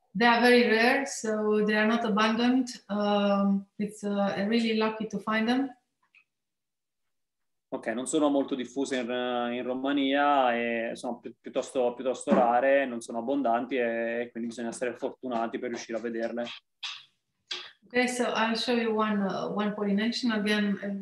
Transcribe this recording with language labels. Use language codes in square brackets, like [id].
[en] They are very rare, so they are not abundant. It's really lucky to find them. [it] Ok, non sono molto diffuse in Romania e sono piuttosto rare, non sono abbondanti e quindi bisogna essere fortunati per riuscire a vederle. [en] Ok, so I'll show you one pollination again.